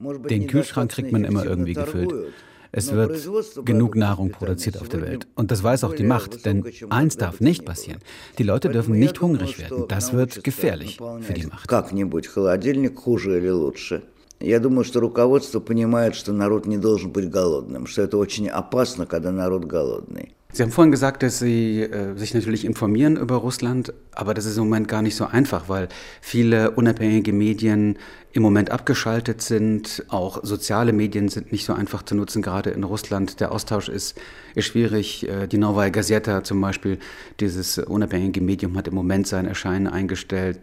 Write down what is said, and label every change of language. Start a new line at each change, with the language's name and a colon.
German: Den Kühlschrank kriegt man immer irgendwie gefüllt. Es wird genug Nahrung produziert auf der Welt. Und das weiß auch die Macht, denn eins darf nicht passieren. Die Leute dürfen nicht hungrig werden. Das wird gefährlich für die Macht.
Russian: Я думаю, что руководство понимает, что народ не должен быть голодным, что это очень опасно, когда народ голодный.
German: Sie haben vorhin gesagt, dass Sie sich natürlich informieren über Russland, aber das ist im Moment gar nicht so einfach, weil viele unabhängige Medien im Moment abgeschaltet sind. Auch soziale Medien sind nicht so einfach zu nutzen, gerade in Russland. Der Austausch ist schwierig. Die Novaya Gazeta zum Beispiel, dieses unabhängige Medium, hat im Moment sein Erscheinen eingestellt.